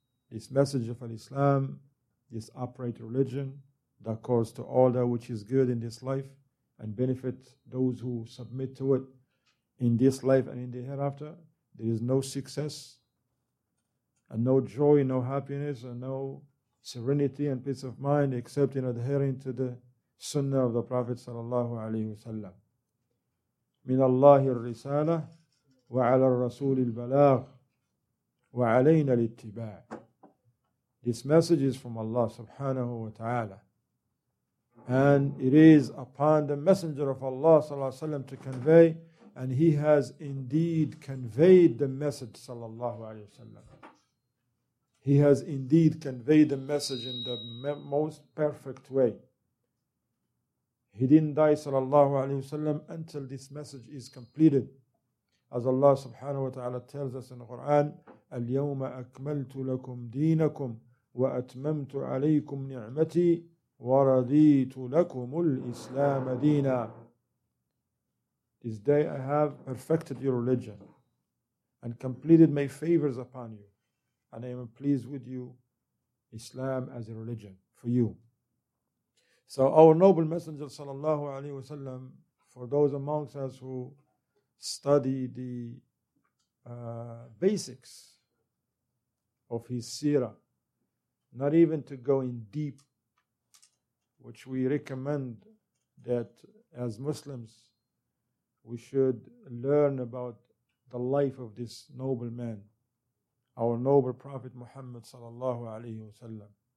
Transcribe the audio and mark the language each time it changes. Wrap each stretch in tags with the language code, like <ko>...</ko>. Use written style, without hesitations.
<en>This message of al-Islam, this upright religion that calls to all that which is good in this life and benefit those who submit to it in this life and in the hereafter, there is no success and no joy, no happiness, and no serenity and peace of mind except in adhering to the sunnah of the Prophet sallallahu alayhi wasallam.</en> <ar>من الله الرسالة وعلى الرسول البلاغ وعلينا الاتباع.</ar> <en>This message is from Allah subhanahu wa ta'ala, and it is upon the Messenger of Allah sallallahu alayhi wa sallam to convey, and He has indeed conveyed the message sallallahu alayhi wa sallam. He has indeed conveyed the message in the most perfect way. He didn't die, sallallahu alayhi wa sallam, until this message is completed. As Allah subhanahu wa ta'ala tells us in the Quran,</en> <ar>الْيَوْمَ أَكْمَلْتُ لَكُمْ دِينَكُمْ وَأَتْمَمْتُ عَلَيْكُمْ نِعْمَتِي وَرَضِيتُ لَكُمُ الْإِسْلَامَ دِينًا.</ar> <en>This day I have perfected your religion and completed my favors upon you, and I am pleased with you, Islam as a religion for you. So our noble Messenger sallallahu alayhi wasallam, for those amongst us who study the basics of his seerah, not even to go in deep, which we recommend that as Muslims we should learn about the life of this noble man, our noble Prophet Muhammad sallallahu alayhi wasallam,</en>